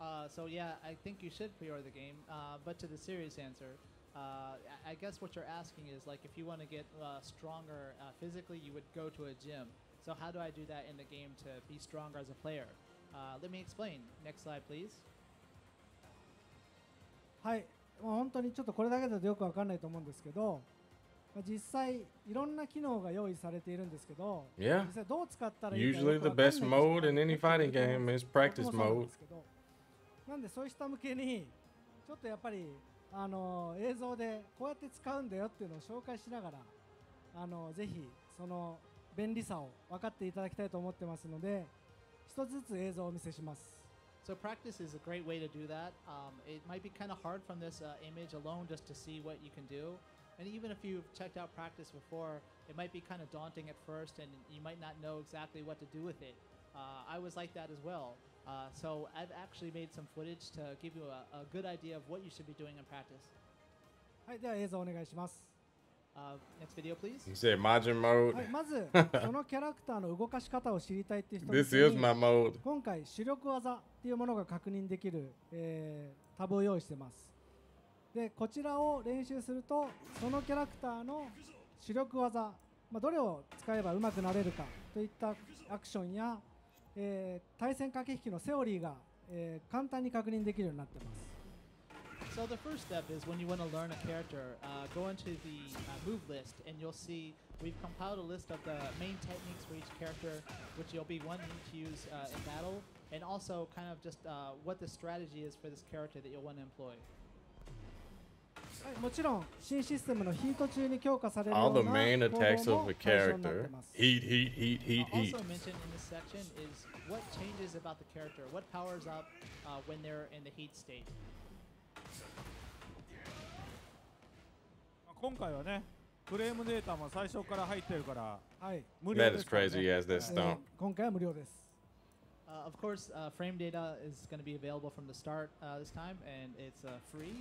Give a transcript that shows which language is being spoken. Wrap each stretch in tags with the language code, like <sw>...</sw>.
<en>So yeah, I think you should pre-order the game. But to the serious answer, I guess what you're asking is like if you want to get stronger physically, you would go to a gym. So how do I do that in the game to be stronger as a player? Let me explain. Next slide, please.</en> <ja>はい、まあ本当にちょっとこれだけだとよくわかんないと思うんですけど、まあ実際いろんな機能が用意されているんですけど、</ja> <en>yeah.</en> <ja>実際どう使ったらいいか。</ja> <en>Usually the best mode in any fighting game is practice mode.</en> <ja>なんでそういう人向けにちょっとやっぱり映像でこうやって使うんだよっていうのを紹介しながら、ぜひその便利さを分かっていただきたいと思ってますので、一つずつ映像をお見せします。</ja> <en>So practice is a great way to do that. It might be kind of hard from this image alone just to see what you can do. And even if you've checked out practice before, it might be kind of daunting at first, and you might not know exactly what to do with it. I was like that as well. So I've actually made some footage to give you a good idea of what you should be doing in practice.</en> <ja>はい、では映像お願いします。</ja> <en>Next video, please. You said Majin mode.</en> <ja>まずそのキャラクターの動かし方を知りたいって人に。</ja> <en>This is my mode.</en> <ja>今回主力技っていうものが確認できる、タブを用意してます。でこちらを練習するとそのキャラクターの主力技、まあ、どれを使えば上手くなれるかといったアクションや、対戦駆け引きのセオリーが、簡単に確認できるようになっています。</ja> <en>So the first step is when you want to learn a character, go into the move list and you'll see we've compiled a list of the main techniques for each character which you'll be wanting to use in battle and also kind of just what the strategy is for this character that you'll want to employ.</en> <ja>はい、もちろん新システムのヒート中に強化されるような攻防も対象になっています</ja> <en>。 Heat, heat, heat, heat, heat. Also mentioned in this section is what changes about the character, what powers up when they're in the heat state.</en> <ja>今回はね、フレームデータも最初から入ってるから、はい、無料ですからね。</ja> <en>That is crazy as this stomp.</en> <ja>今回は無料です。</ja> <en>Of course, frame data is going to be available from the start this time, and it's free.</en>